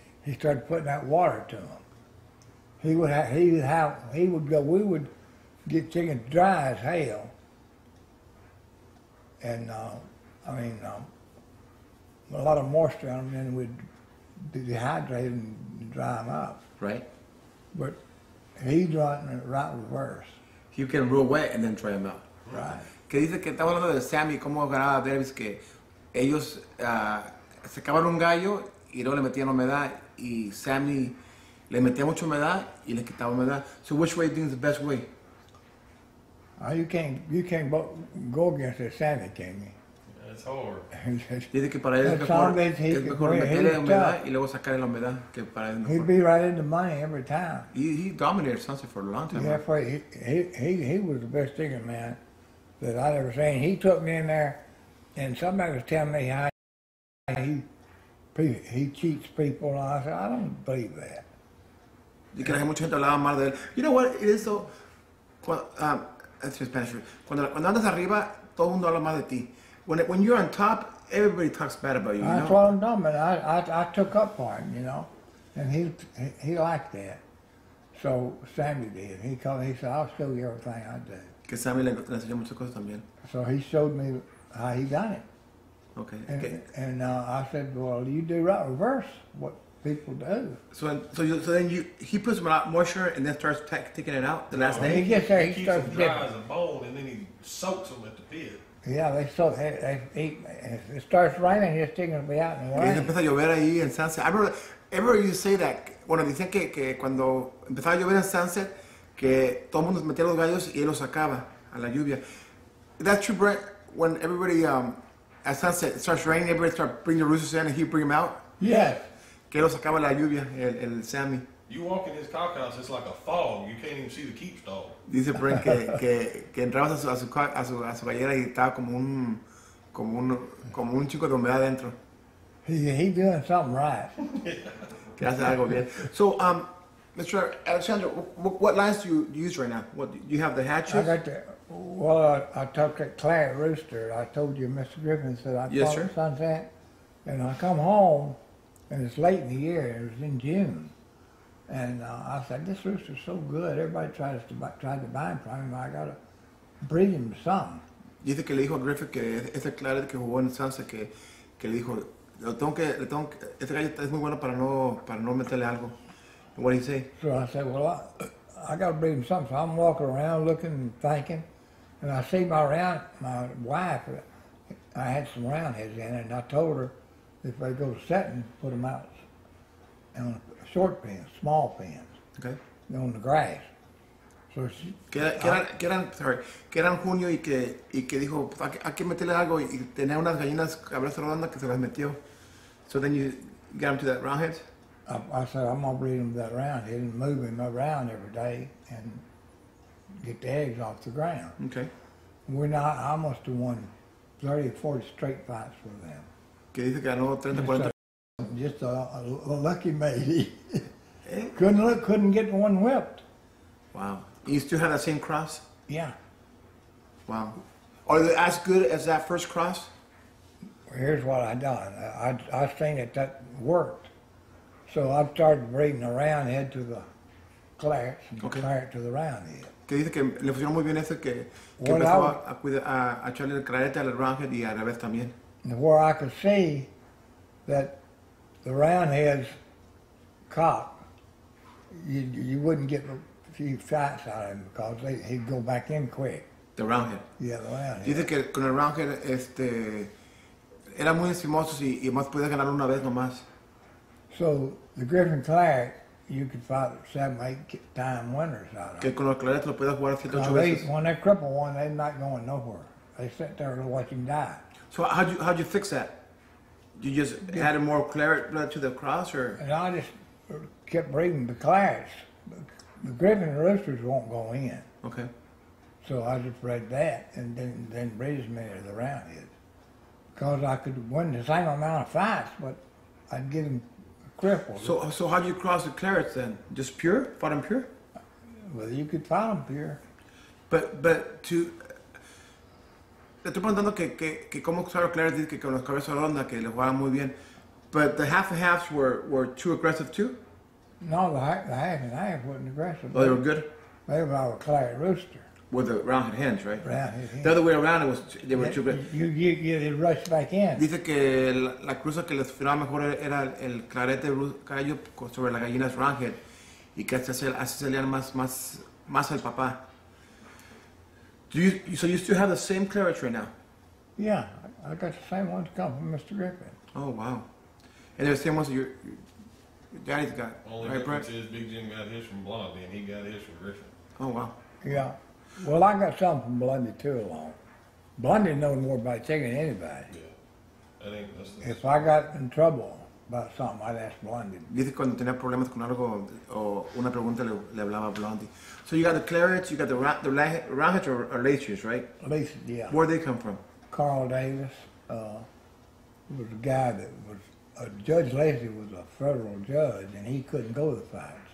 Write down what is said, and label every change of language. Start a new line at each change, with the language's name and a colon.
English: He started putting that water to him. We would get chicken dry as hell, and a lot of moisture on them, and we'd dehydrate them and dry them up. Right. But he'd run right reverse. You get them real wet and then dry them out. Right.
Spanish: Que dice que estaba hablando de Sammy, cómo ganaba derbis, que ellos sacaban un gallo y luego le metían humedad, y Sammy le metía mucha humedad y le quitaba humedad.
English: So which way do you think is the best way? You can't go against a Sammy, can you? That's hard.
Spanish: Dice que para él es mejor meterle humedad y luego sacarle la humedad, que para él mejor.
English: He'd be right in the money every time. He dominated Sunset for a long time. Yeah, right? he was the best chicken man that I'd ever seen. He took me in there, and somebody was telling me how he cheats people. And I said, I don't believe that.
Spanish: Dice que la gente hablaba mal de él.
English: You know what? It is so... That's just Spanish.
Spanish: Cuando andas arriba, todo el mundo habla más de ti.
English: When you're on top, everybody talks bad about you, That's what I'm doing, man. I took up for him, you know. And he liked that. So Sammy did. He said, I'll show you everything I do.
Spanish: Que Sammy le enseñó muchas cosas también.
English: So he showed me how he done it. Okay. And I said, well, you do right reverse what people do. So then he puts a lot of moisture and then starts taking it out day? He gets there, he starts dry as a bone, and then he soaks them at the pit. Yeah, they soak, if it starts raining, his chicken will be out in the rain.
Spanish: Y empieza a llover ahí en Sunset.
English: I remember you say that,
Spanish: bueno, dicen que cuando empezaba a llover en Sunset, que todo el mundo metía los gallos y él los sacaba a la lluvia.
English: That's true, Brett, when everybody, at Sunset, it starts raining, everybody starts bringing the roosters in and he bring them out? Yes.
Spanish: Que lo sacaba la lluvia, el Sammy.
English: You walk in his cock house, it's like a fog. You can't even see the keep dog.
Spanish: Dice Brent que entrabas a su gallera y estaba como un chico de humedad adentro.
English: He doing something right.
Spanish: Que hace algo bien.
English: So, Mr. Alexander, what lines do you use right now? What do you have, the hatches? I took that Claret Rooster. I told you, Mr. Griffin said I caught a sunset, and I come home, and it's late in the year. It was in June, and I said this rooster's so good. Everybody tried to buy him from him. I gotta breed him something.
Spanish: Dice que le dijo a Griffin que ese Claret que jugó en el sunset que le dijo le tengo que este gallo es muy bueno para no meterle algo.
English: What did he say? So I said, well, I got to bring him something. So I'm walking around looking and thinking. And I see my wife, I had some roundheads in it. And I told her, if they go to setting, put them out on a short pen, small pens. Okay. On the grass. So she...
Spanish: Que eran junio y que dijo, hay que meterle algo. Y tenía unas gallinas cabeza redonda que se las metió.
English: So then you got them to that roundhead? I said, I'm going to breed him that round. He didn't move him around every day and get the eggs off the ground. Okay. I must have won 30 or 40 straight fights for them.
Spanish: ¿Qué dice que ganó 30, 40?
English: Just a lucky matey. couldn't get one whipped. Wow. You still have that same cross? Yeah. Wow. Are they as good as that first cross? Here's what I done. I seen that worked. So I started breeding a roundhead to the clarets and the claret to the roundhead.
Spanish: Que dice que le funcionó muy bien ese que empezaba a echarle el claret al roundhead y al revés también.
English: Where I could see that the roundhead's cock, you wouldn't get a few fights out of him because he'd go back in quick. The roundhead. Yeah, the roundhead.
Spanish: Dice que con el roundhead era muy encimoso y más podía ganar una vez nomás.
English: So the Griffin Claret, you could fight 7-8 time winners out of.
Spanish: Que con los Claret lo puedes jugar 7-8 veces.
English: When they cripple one, they're not going nowhere. They sit there to watch him die. So how'd you fix that? You just added more Claret blood to the cross, or? And I just kept breeding the Clarets. The Griffin Roosters won't go in. Okay. So I just bred that, and then breed as many of the roundheads, because I could win the same amount of fights, but I'd get them. So how do you cross the Clarets then? Just pure? Fought them pure? Well, you could fight them pure. But to...
Spanish: Le estoy preguntando que como usar los Clarets, que con los cabezas rondas, que le jugaban muy bien.
English: But the half and halves were too aggressive too? No, the half and half wasn't aggressive. Oh, they were good? They were our Claret Rooster. With the rounded hands, right? Rounded hands. The other way around, they were too good. You they rushed back in.
Spanish: Dice que la cruza que les funcionaba mejor era el claret de gallo sobre la gallina's rounded, y que así salían más el papá.
English: So you still have the same claret right now? Yeah, I got the same ones come from Mr. Griffin. Oh, wow. And they're the same ones that your daddy's got. Only right, difference is Big Jim got his from Blondie, and he got his from Griffin. Oh, wow. Yeah. Well, I got something from Blondie too along. Blondie knows more about chicken than anybody. Yeah. I think if I got in trouble about something, I'd ask Blondie.
Spanish: Dice cuando tenía problemas con algo o una pregunta le hablaba a Blondie.
English: So you got the Clarets, you got the roundheads or laces, right? Laces, yeah. Where they come from? Carl Davis was a guy that was a Judge Lacey was a federal judge and he couldn't go to the fights.